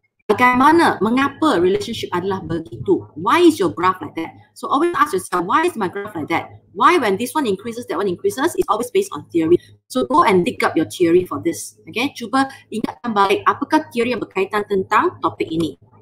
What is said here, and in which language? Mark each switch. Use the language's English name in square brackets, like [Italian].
[Malay] Bagaimana, mengapa relationship adalah begitu? [English] Why is your graph like that? So always ask yourself, why is my graph like that? Why when this one increases, that one increases? It's always based on theory. So go and dig up your theory for this. [Malay] Okay, cuba ingatkan balik apakah teori yang berkaitan tentang topik ini.